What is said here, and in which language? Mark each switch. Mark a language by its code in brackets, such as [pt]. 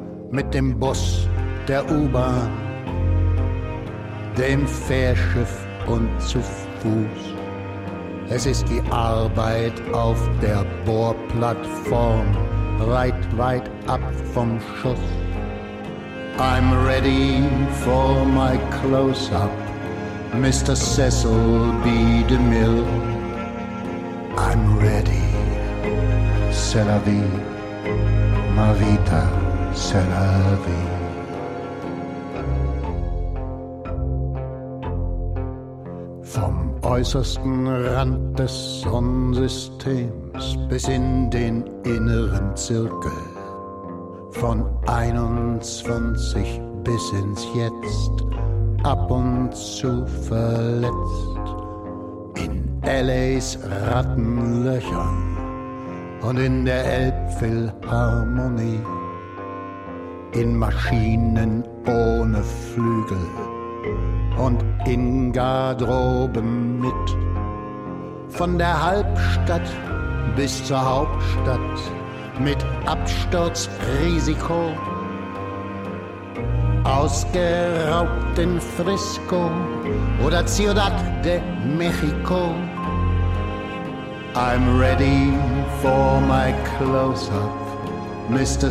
[de] Mit dem Bus, der U-Bahn, dem Fährschiff und zu Fuß. Es ist die Arbeit auf der Bohrplattform, reit weit ab vom Schuss. [en] I'm ready for my close-up, Mr. Cecil B. DeMille. I'm ready, [fr] c'est la vie, [it] ma vita, [fr] c'est la vie. [de] Vom äußersten Rand des Sonnensystems bis in den inneren Zirkel, von 21 bis ins Jetzt, ab und zu verletzt, in L.A.'s Rattenlöchern und in der Elbphilharmonie, in Maschinen ohne Flügel und in Garderoben mit. Von der Halbstadt bis zur Hauptstadt mit Absturzrisiko, ausgeraubt in Frisco oder Ciudad de Mexico. [en] I'm ready for my close-up, Mr.